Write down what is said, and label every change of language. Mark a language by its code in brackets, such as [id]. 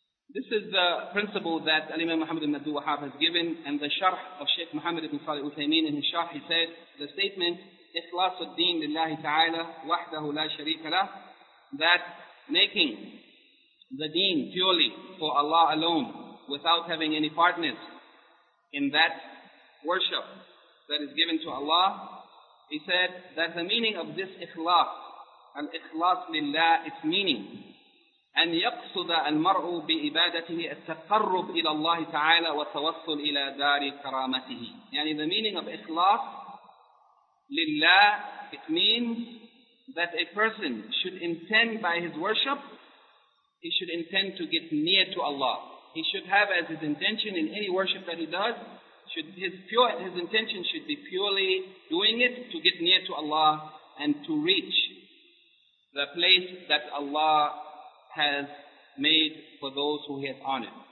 [en] This is the principle that Imam Muhammad ibn Abdul Wahhab has given, and the sharh of Sheikh Muhammad ibn Salih Uthaymeen, in his sharh, he said, the statement, [ar] إِخْلَاصُ الدِّينِ لِلَّهِ تَعَالَى وَحْدَهُ لَا شَرِيكَ لَهُ, [en] that making the deen purely for Allah alone, without having any partners in that worship that is given to Allah, he said that the meaning of this ikhlas, [ar] al-ikhlas lillah, [en] its meaning [ar] أن يقصد المرء بإبادته التقرب إلى الله تعالى والتوصل إلى دار كرامته. [en] يعني the meaning of [ar] إخلاص لله, [en] it means that a person should intend by his worship, he should intend to get near to Allah. He should have as his intention in any worship that he does, should his intention should be purely doing it to get near to Allah and to reach the place that Allah has made for those who he has honored.